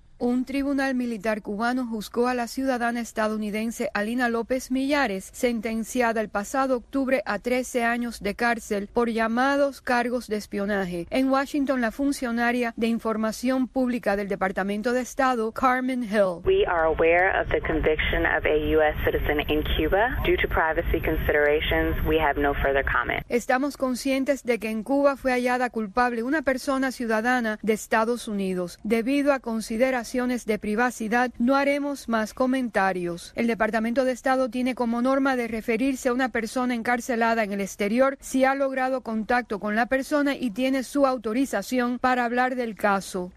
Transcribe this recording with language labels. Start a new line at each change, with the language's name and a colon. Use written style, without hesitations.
Spanish: Un tribunal militar cubano juzgó a la ciudadana estadounidense Alina López Millares, sentenciada el pasado octubre a 13 años de cárcel por llamados cargos de espionaje. En Washington, la funcionaria de información pública del Departamento de Estado, Carmen Hill.
English: We are aware of the conviction of a U.S. citizen in Cuba. Due to privacy considerations, we have no further comment.
Spanish: Estamos conscientes de que en Cuba fue hallada culpable una persona ciudadana de Estados Unidos. Debido a considerar de privacidad, no haremos más comentarios. El Departamento de Estado tiene como norma de referirse a una persona encarcelada en el exterior si ha logrado contacto con la persona y tiene su autorización para hablar del caso.